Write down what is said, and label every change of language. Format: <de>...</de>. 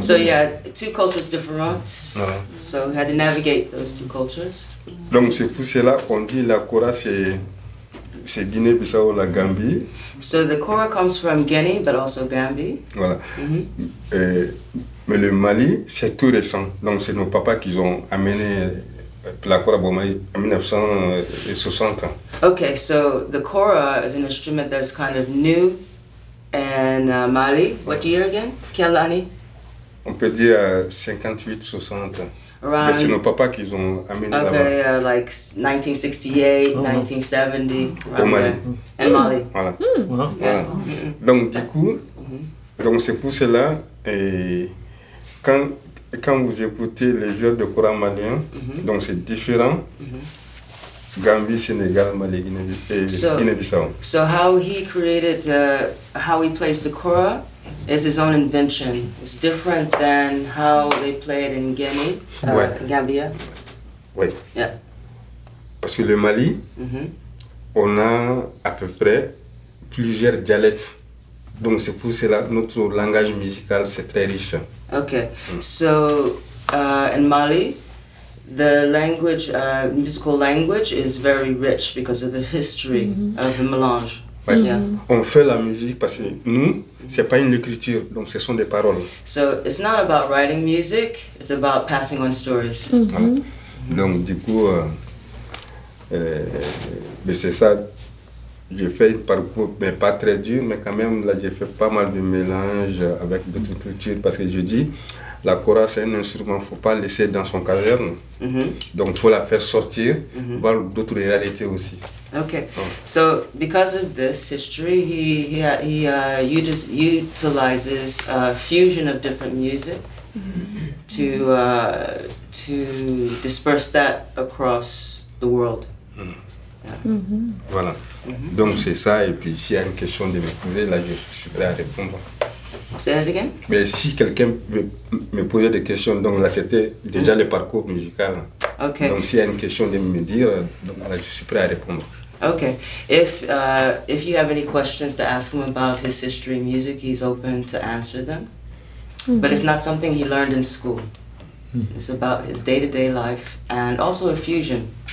<en>So he had two cultures different. So he had to navigate those two cultures.</en> <fr>Donc c'est pour cela qu'on dit la kora c'est Guinée-Bissau ou la Gambie.</fr> <en>So the kora comes from Guinea but also Gambie.</en> <fr>Voilà. Mais le Mali c'est tout récent. Donc c'est nos papas qui ont amené.</fr> <en>Okay, so the kora is an instrument that's kind of new in Mali. What year again?</en> <fr>Quelle année? On peut dire 58, 60.</fr> <en>around.</en> <fr>C'est nos papas qui ont amené là-bas.</fr> <en>Okay, like 1968, 1970.</en> <fr>Au Mali. Et Mali. Voilà. Donc du coup, donc c'est pour cela et quand vous écoutez les joueurs de courant maliens, donc c'est différent. Gambie, Sénégal, Mali, Guinée-Bissau.</fr> <en>So how he created, how he plays the kora is his own invention. It's different than how they play it in Guinée, Gambia.</en> <fr>Oui.</fr> <en>Yeah.</en> <fr>Parce que le Mali, on a à peu près plusieurs dialectes. Donc c'est pour cela que notre langage musical c'est très riche.</fr> <en>Okay. So in Mali, the language, musical language, is very rich because of the history of the mélange.</en> <fr>Ouais. Yeah. On fait la musique parce que nous, c'est pas une écriture, donc ce sont des paroles.</fr> <en>So it's not about writing music, it's about passing on stories.</en> <fr>Voilà. Donc du coup, mais c'est ça. J'ai fait un parcours, mais pas très dur, mais quand même là, j'ai fait pas mal de mélange avec d'autres cultures parce que je dis. La kora, c'est un instrument, il ne faut pas laisser dans son caserne. Donc, il faut la faire sortir, voir d'autres réalités aussi.</fr> <en>Ok. So, because of this history, he utilizes a fusion of different music to disperse that across the world.</en> <fr>Voilà. Donc, c'est ça. Et puis, s'il y a une question de me poser, là, je suis prêt à répondre.</fr> <en>Say that again.</en> <fr>Mais si quelqu'un me posait des questions, donc là c'était déjà le parcours musical.</fr> <en>Okay.</en> <fr>Donc s'il y a une question de me dire, donc là je suis prêt à répondre.</fr> <en>Okay. If you have any questions to ask him about his history and music, he's open to answer them. But it's not something he learned in school. It's about his day-to-day life and also a fusion.</en>